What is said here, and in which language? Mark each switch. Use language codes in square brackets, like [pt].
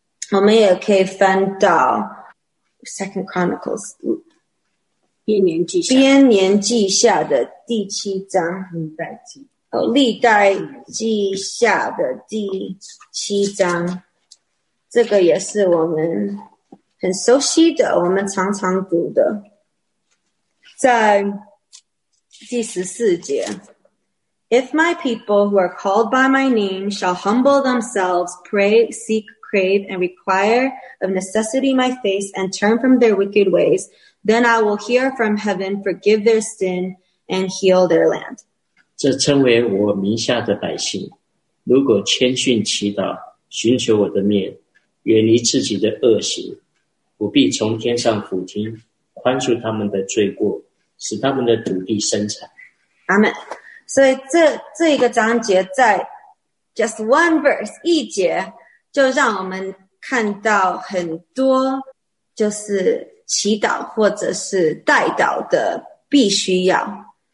[zh] 我们也可以翻到 Second Chronicles 编年记下的第七章。历代记下的第七章，这个也是我们很熟悉的，我们常常读的。在第14节， [en] If my people who are called by my name shall humble themselves, pray, seek, crave, and require of necessity my face, and turn from their wicked ways, then I will hear from heaven, forgive their sin, and heal their land. [zh] 这称为我名下的百姓，如果谦逊祈祷，寻求我的面，远离自己的恶行，我必从天上俯听，宽恕他们的罪过，使他们的土地生产。阿们。所以这一个章节在 [en] just one verse [zh] 一节，就让我们看到很多就是祈祷或者是代祷的必须要。